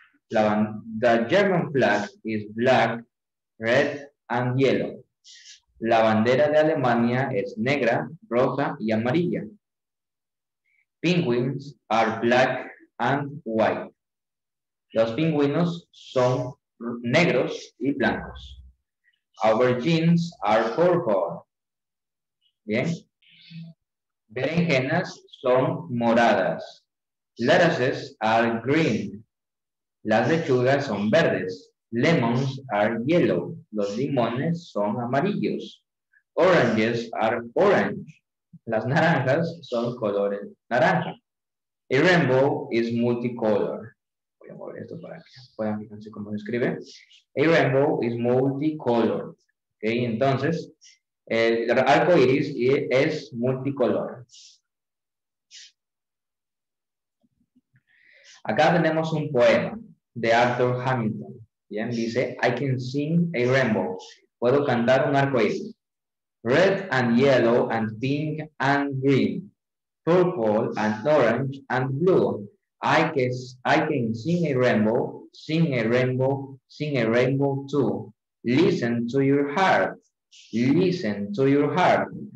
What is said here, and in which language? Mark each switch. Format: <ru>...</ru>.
<en>The German flag is black, red and yellow.</en> <es>La bandera de Alemania es negra, roja y amarilla.</es> <en>Penguins are black and white.</en> <es>Los pingüinos son negros y blancos.</es> <en>Our jeans are purple.</en> <es>Bien. Berenjenas son moradas.</es> <en>Lettuces are green.</en> <es>Las lechugas son verdes.</es> <en>Lemons are yellow.</en> <es>Los limones son amarillos.</es> <en>Oranges are orange.</en> <es>Las naranjas son colores naranja.</es> <en>A rainbow is multicolor.</en> <es>Voy a mover esto para que puedan fijarse cómo se escribe.</es> <en>A rainbow is multicolor.</en> <es>Okay, entonces, el arco iris es multicolor. Acá tenemos un poema de Arthur Hamilton. Bien, dice,</es> <en>I can sing a rainbow.</en> <es>Puedo cantar un arco iris.</es> <en>Red and yellow and pink and green. Purple and orange and blue. I can sing a rainbow, sing a rainbow, sing a rainbow too. Listen to your heart. Listen to your heart.</en>